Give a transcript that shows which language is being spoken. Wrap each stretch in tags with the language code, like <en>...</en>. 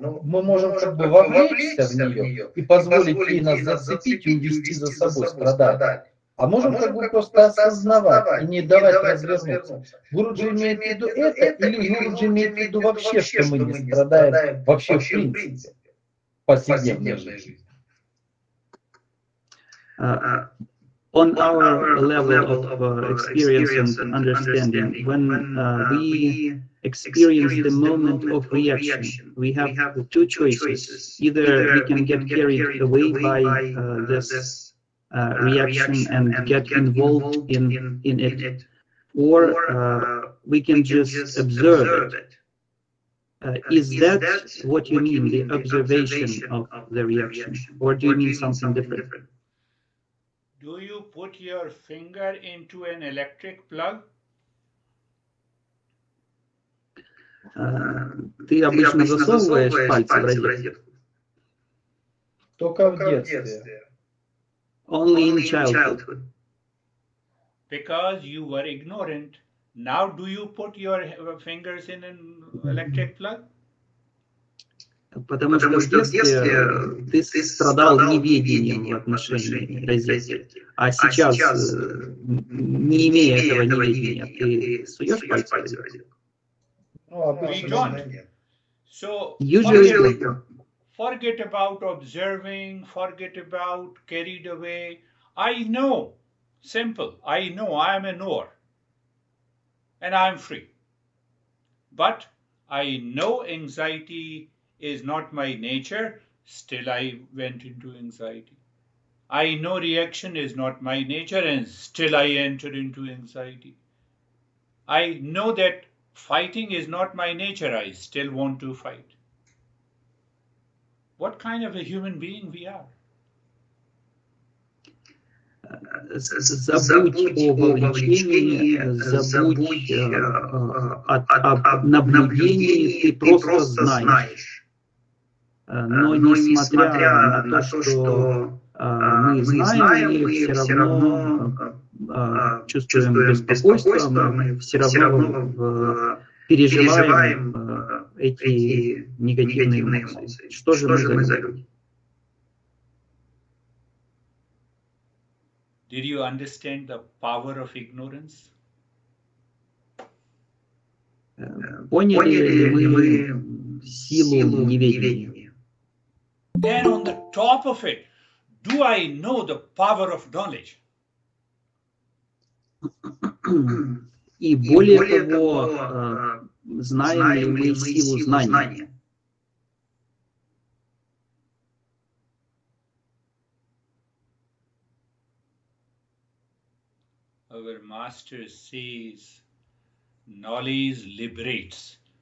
<ru>Но мы можем как бы вовлечься в нее и позволить ей нас зацепить и увести за собой страдания. А можем как бы просто осознавать и не давать развернуться. Гуруджи имеет в виду это, или Гуруджи имеет в виду вообще, что мы не страдаем вообще в принципе в повседневной жизни?</ru> <en>On our level of experience and understanding, when we experience the moment of reaction, we have two choices. Either we can get carried away by this reaction and get involved in it, or we can just observe it. Is that what you mean, the observation of the reaction, or do you mean something different? Do you put your finger into an electric plug?</en> <ru>Ты обычно засовываешь пальцы в розетку? Только в детстве.</ru> <en>Only in childhood. Because you were ignorant. Now do you put your fingers in an electric plug?</en> <ru>Потому что в детстве ты страдал неведением в отношении розетки. А сейчас, не имея этого неведения, ты суешь пальцы в розетку?</ru> <en>We don't. So, usually, forget about observing, forget about carried away. I know, simple, I know I am a knower and I am free. But I know anxiety is not my nature, still I went into anxiety. I know reaction is not my nature and still I entered into anxiety. I know that fighting is not my nature, I still want to fight. What kind of a human being we are?</en> <ru>Забудь о вовлечении, забудь об наблюдении, ты просто знаешь. Но несмотря на то, что мы знаем, мы все равно чувствуем беспокойство, мы все равно переживаем эти негативные эмоции. Что же мы за люди?</ru> <en>Did you understand the power of ignorance?</en> <ru>Поняли ли мы силу неведения?</ru> <en>Then on the top of it, do I know the power of knowledge?</en> <ru>И более того, знаем ли мы силу знания?</ru> <en>our master says, knowledge liberates.</en>